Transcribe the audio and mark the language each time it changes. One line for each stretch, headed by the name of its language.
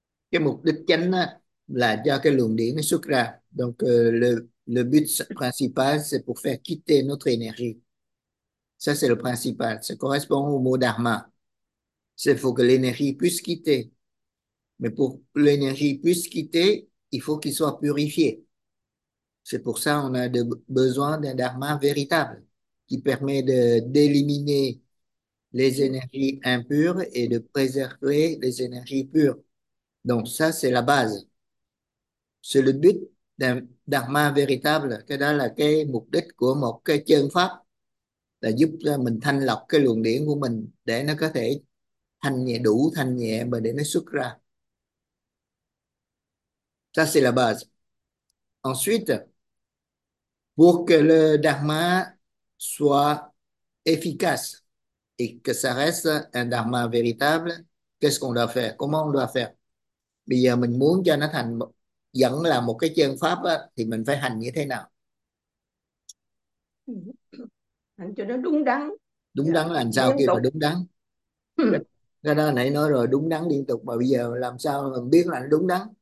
Vietnamese: Cái mục đích chánh đó là cho cái luồng điển nó xuất ra.
French: Donc le but principal c'est pour faire quitter notre énergie. Ça c'est le principal. Ça correspond au mot dharma. C'est faut que l'énergie puisse quitter. Mais pour que l'énergie puisse quitter, il faut qu'il soit purifié. C'est pour ça qu'on a besoin d'un dharma véritable qui permet d'éliminer les énergies impures et de préserver les énergies pures. Donc ça, c'est la base. C'est le but d'un dharma véritable.
Vietnamese: Cái đó là cái mục đích của một cái chân pháp, là giúp cho mình thanh lọc cái luồng điển của mình để nó có thể thanh nhẹ, đủ thanh nhẹ mà để nó xuất ra.
French: Ça, c'est la base. Ensuite, pour que le dharma soit efficace et que ça reste un dharma véritable, qu'est-ce qu'on doit faire? Comment on doit faire?
Vietnamese: Bây giờ mình muốn cho nó thành vẫn là một cái chân pháp á, thì mình phải hành như thế nào? Hành cho nó đúng đắn, Đúng đắn là làm sao liên kêu là đúng đắn? tục. Cái đó nãy nói rồi, đúng đắn liên tục, mà bây giờ làm sao mình biết là nó đúng đắn?